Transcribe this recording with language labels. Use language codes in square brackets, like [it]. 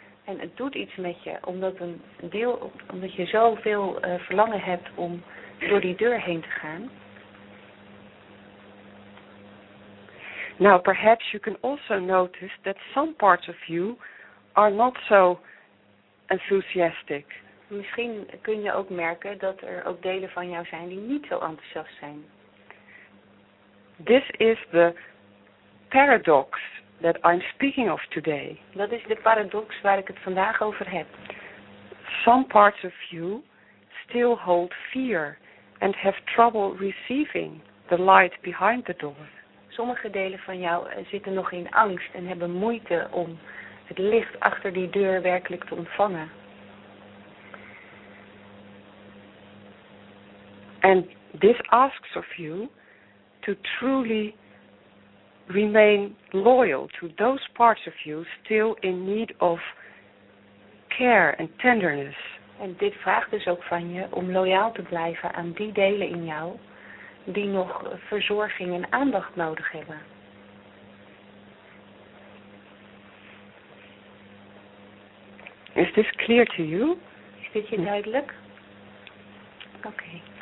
[nl] En het doet iets met je, omdat een deel, omdat je zoveel verlangen hebt om door die deur heen te gaan. [en] Now perhaps you can also notice that some parts of you are not so enthusiastic. [nl] Misschien kun je ook merken dat er ook delen van jou zijn die niet zo enthousiast zijn. [en] This is the paradox that I'm speaking of today. [nl] Dat is de paradox waar ik het vandaag over heb. [en] Some parts of you still hold fear and have trouble receiving the light behind the door. [nl] Sommige delen van jou zitten nog in angst en hebben moeite om het licht achter die deur werkelijk te ontvangen. [en] And this asks of you to truly remain loyal to those parts of you still in need of care and tenderness. [nl] En dit vraagt dus ook van je om loyaal te blijven aan die delen in jou die nog verzorging en aandacht nodig hebben. [en] Is this clear to you? [nl] Is dit je duidelijk? Oké.